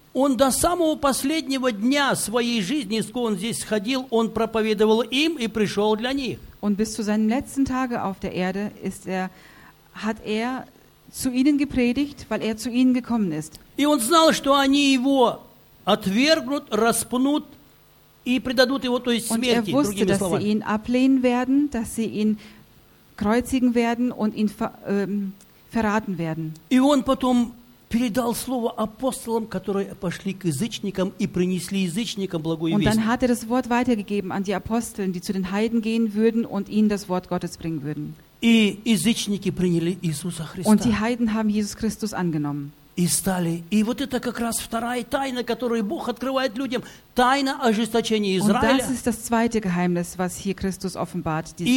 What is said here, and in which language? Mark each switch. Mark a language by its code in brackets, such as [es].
[ru] Он до самого последнего дня своей жизни, сколько он здесь ходил, он проповедовал им и пришел для них. [de] Und bis zu seinem letzten Tage auf der Erde ist er, hat er zu ihnen gepredigt, weil er zu ihnen gekommen ist. [ru] И он знал, что они его отвергнут, распнут и предадут его, то есть смерти, другими словами. [de] Und er wusste, dass sie ihn ablehnen werden, dass sie ihn kreuzigen werden und ihn verraten werden. [ru] И он потом передал слово апостолам, которые пошли к язычникам и принесли язычникам благую весть. [de] Und dann hat er das Wort weitergegeben an die Aposteln, die zu den Heiden gehen würden und ihnen das Wort Gottes bringen würden. [ru] И язычники приняли Иисуса Христа. [de] Und die Heiden haben Jesus Christus angenommen. [ru] И стали. И вот это как раз вторая тайна, которую Бог открывает людям, тайна ожесточения Израиля. [de] Und das ist das zweite Geheimnis, was hier Christus offenbart.